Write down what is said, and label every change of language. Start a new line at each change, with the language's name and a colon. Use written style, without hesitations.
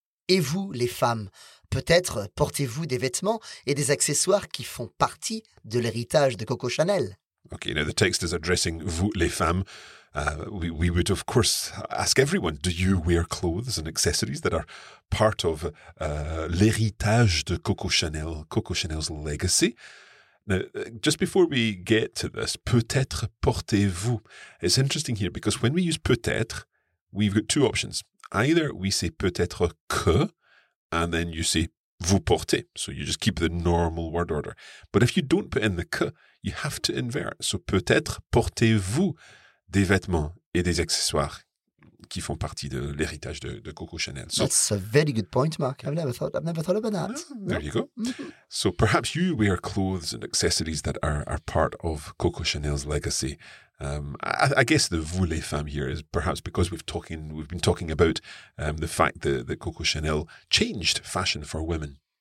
French: Et vous, les femmes, peut-être portez-vous des vêtements et des accessoires qui font partie de l'héritage de Coco Chanel.
English: Okay, now the text is addressing
French: vous, les femmes.
English: We would, of course, ask everyone, do you wear clothes and accessories that are part of
French: l'héritage de Coco Chanel,
English: Coco Chanel's legacy? Now, just before we get to this,
French: peut-être portez-vous.
English: It's interesting here because when we use peut-être, we've got two options. Either we say
French: peut-être que,
English: and then you say
French: vous portez.
English: So you just keep the normal word order. But if you don't put in the que, you have to invert.
French: So peut-être portez-vous des vêtements et des accessoires qui font partie de l'héritage de Coco Chanel.
English: So, that's a very good point, Mark. I've never thought about that. There you go. So perhaps you wear clothes and accessories that are part of Coco Chanel's legacy. I guess the
French: vous les femmes
English: here is perhaps because we've been talking about the fact that Coco Chanel changed fashion for women.